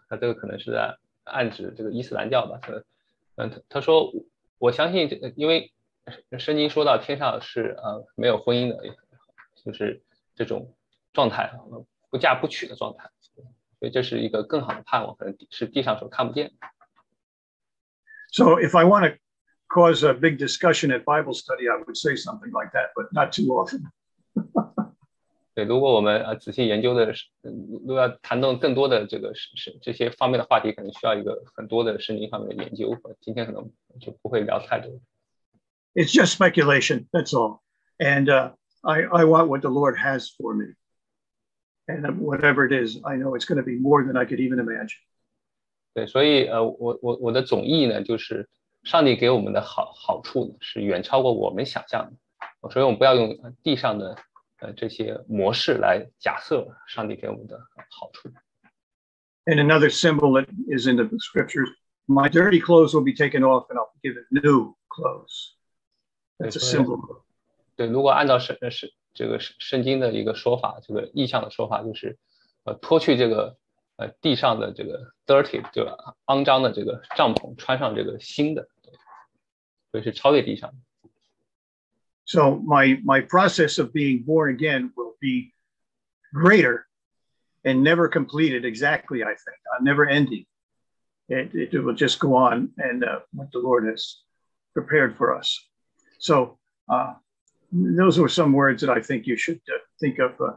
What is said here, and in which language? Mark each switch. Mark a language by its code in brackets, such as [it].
[zh] 他这个可能是在暗指这个伊斯兰教吧。他说我相信，因为圣经说到天上是没有婚姻的，就是这种状态，不嫁不娶的状态，所以这是一个更好的盼望，可能是地上所看不见的。 [en] So if I want to cause a big discussion at Bible study, I would say something like that, but not too often. [zh] 对，如果我们仔细研究的，如果要谈论更多的这个这些方面的话题，可能需要一个很多的圣经方面的研究。今天可能就不会聊太多。 [en] It's just speculation, that's all. And I want what the Lord has for me. And whatever it is, I know it's going to be more than I could even imagine. [zh] 对，所以我的总意呢，就是上帝给我们的好处呢，是远超过我们想象的。所以我们不要用地上的。这些模式来假设上帝给我们的好处。 [en] And another symbol that is in the scriptures, my dirty clothes will be taken off and I'll be given new clothes. That's a symbol. [zh] 对，如果按照这个圣经的一个说法，这个意象的说法，就是脱去这个地上的这个 dirty, 就肮脏的这个帐篷，穿上这个新的，所以是超越地上的。 [en] So my process of being born again will be greater and never completed exactly, I think. Never ending. It will just go on and what the Lord has prepared for us. So those were some words that I think you should think of.